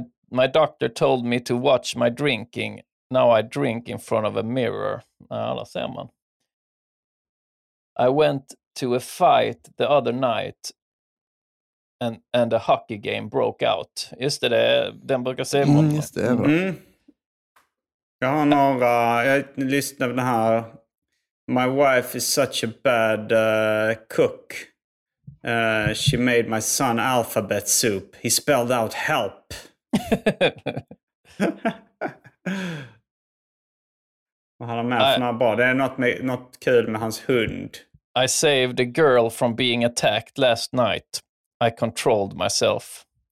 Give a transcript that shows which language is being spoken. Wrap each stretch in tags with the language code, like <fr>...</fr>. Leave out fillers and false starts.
<en>my doctor told me to watch my drinking. Now I drink in front of a mirror.</en> <sv>Alla ser man.</sv> <en>I went to a fight the other night and a hockey game broke out.</en> <sv>Just det, den brukar se mot. Just det, bra. Jag har några, jag lyssnar på den här.</sv> <en>My wife is such a bad cook. She made my son alphabet soup. He spelled out help.</en> <sv>Vad har han med för några bra? Det är något kul med hans hund.</sv> <en>I saved a girl from being attacked last night. I controlled myself.</en>